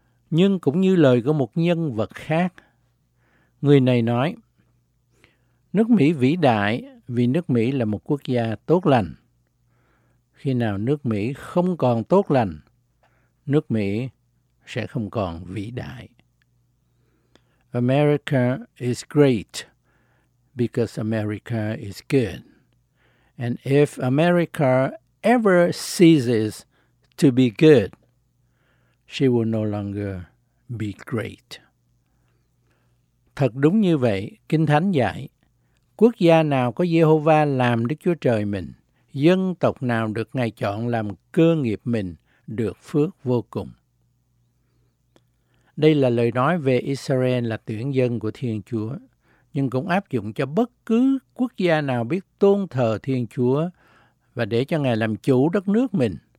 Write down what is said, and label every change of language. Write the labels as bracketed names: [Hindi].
[Vietnamese] Nhưng cũng như lời của một nhân vật khác, người này nói, nước Mỹ vĩ đại vì nước Mỹ là một quốc gia tốt lành. Khi nào nước Mỹ không còn tốt lành, nước Mỹ sẽ không còn vĩ đại. [English] America is great because America is good. And if America ever ceases to be good, she will no longer be great. [Vietnamese] Thật đúng như vậy, Kinh Thánh dạy, quốc gia nào có Jehovah làm Đức Chúa Trời mình, dân tộc nào được Ngài chọn làm cơ nghiệp mình, được phước vô cùng. Đây là lời nói về Israel là tuyển dân của Thiên Chúa, nhưng cũng áp dụng cho bất cứ quốc gia nào biết tôn thờ Thiên Chúa và để cho Ngài làm chủ đất nước mình.